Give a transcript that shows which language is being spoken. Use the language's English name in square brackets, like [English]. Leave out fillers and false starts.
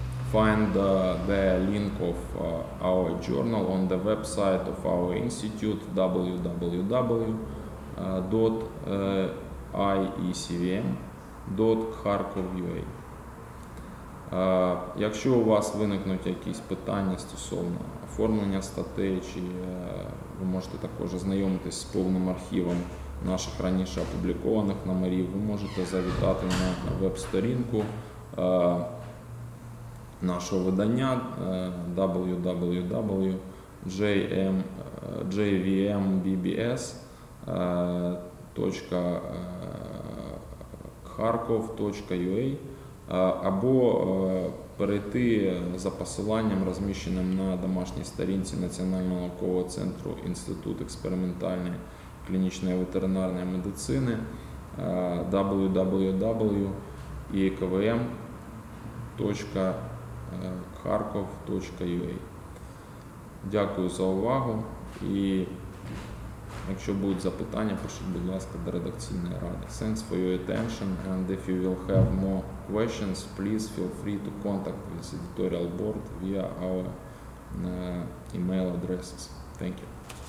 [English] find the link of our journal on the website of our institute www.iecvm.kharkov.ua. [Ukrainian] Якщо у вас виникнуть якісь питання стосовно оформлення статей, чи ви можете також ознайомитись з повним архівом наших раніше опублікованих номерів, ви можете завітати на веб-сторінку нашого видання www.jvmbbs.kharkov.ua або перейти за посиланням, розміщеним на домашній сторінці Національного наукового центру Інституту експериментальної клінічної ветеринарної медицини www.iekvm.kharkov.ua. Дякую за увагу, і якщо будуть запитання, пишіть, будь ласка, до редакційної ради. [English] Thanks for your attention, and if you will have more questions, please feel free to contact with editorial board via our email addresses. Thank you.